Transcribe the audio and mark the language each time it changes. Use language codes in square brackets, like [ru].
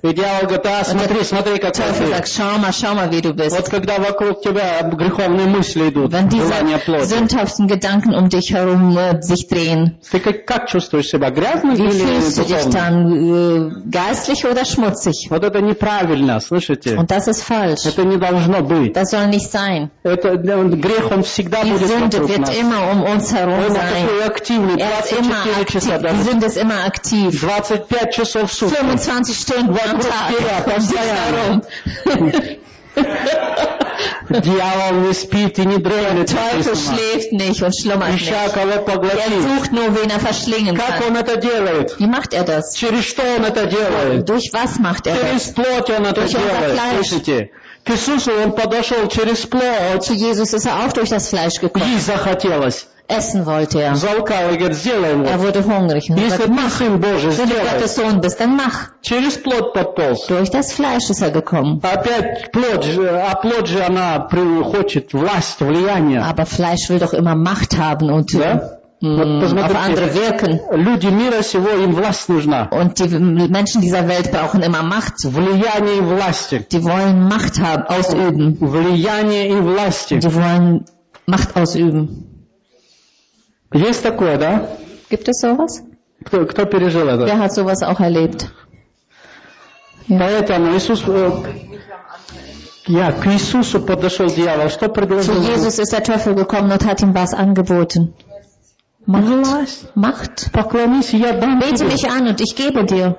[de] Und der Teufel sagt, schau mal, wie du bist. Wenn diese sündhaften Gedanken um dich herum sich drehen. Wie fühlst du dich dann? Geistlich oder schmutzig? [ru] Вот это неправильно, слышите? [de] Und das ist falsch. [ru] Это не должно быть. [de] Das soll nicht sein. [ru] Это, грех, он всегда [de] die [ru] будет [de] Sünde wird [ru] нас. [de] Immer um uns herum [ru] он Такой активный, 24 [de] er ist immer 24 Sünde ist immer aktiv. [ru] 25 часов в сутки. [de] 25 Stunden am Tag. [ru] Дьявол не спит и не дремлет. [de] Schläft nicht und schlummert nicht. [ru] Ища кого поглотить. [de] Er sucht nur, wen er verschlingen kann. [ru] Как он это делает? [de] Wie macht er das? [ru] Через что он это делает? [de] Durch was macht er [ru] Через плоть он это делает. Слышите? К Иисусу он подошел через плоть. [de] Zu Jesus ist er auch durch das Fleisch gekommen. [ru] Есть захотелось. [de] Essen wollte er. [ru] Залкал, говорит, сделай его. [de] Er wurde hungrig. [ru] Если ты сын Божий, сделай. [de] Wenn du Gottes Sohn bist, dann mach. [ru] Через плоть подполз. [de] Durch das Fleisch ist er gekommen. [ru] Опять плоть, а плоть же она хочет власть, влияние. [de] Aber Fleisch will doch immer Macht haben und [ru] да? [de] Auf andere wirken. [ru] Люди мира сего, им власть нужна. [de] Und die Menschen dieser Welt brauchen immer Macht. [ru] Влияние и власти. [de] Die wollen Macht haben, ausüben. [ru] Влияние и власти. [de] Die wollen Macht ausüben. [ru] Есть такое, да? [de] Gibt es sowas? [ru] Кто пережил это? [de] Wer hat sowas auch erlebt? [ru] Поэтому Иисус, к Иисусу подошел дьявол, что предложил? [de] Zu Jesus ist der Teufel gekommen und hat ihm was angeboten. Macht. [ru] Поклонись, я дам тебе. [de] Bete mich an und ich gebe dir.